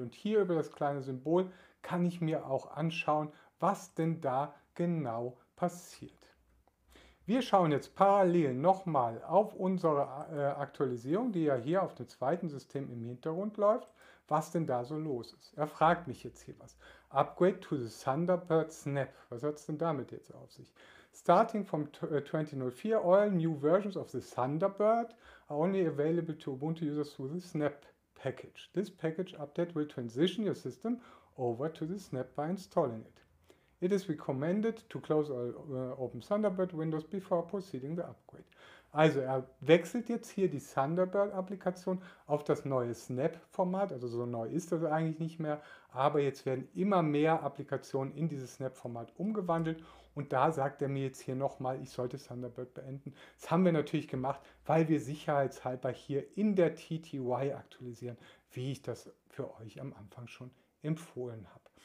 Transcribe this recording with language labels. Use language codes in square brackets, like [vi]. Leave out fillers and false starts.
[de] Und hier über das kleine Symbol kann ich mir auch anschauen, was denn da genau passiert. Wir schauen jetzt parallel nochmal auf unsere Aktualisierung, die ja hier auf dem zweiten System im Hintergrund läuft, was denn da so los ist. Er fragt mich jetzt hier was. [en] Upgrade to the Thunderbird Snap. [de] Was hat es denn damit jetzt auf sich? [en] Starting from 2004, all new versions of the Thunderbird are only available to Ubuntu users through the Snap package. This package update will transition your system over to the Snap by installing it. It is recommended to close all open Thunderbird windows before proceeding the upgrade. [de] Also er wechselt jetzt hier die Thunderbird-Applikation auf das neue Snap-Format. Also so neu ist das eigentlich nicht mehr. Aber jetzt werden immer mehr Applikationen in dieses Snap-Format umgewandelt. Und da sagt er mir jetzt hier nochmal, ich sollte Thunderbird beenden. Das haben wir natürlich gemacht, weil wir sicherheitshalber hier in der TTY aktualisieren, wie ich das für euch am Anfang schon empfohlen habe.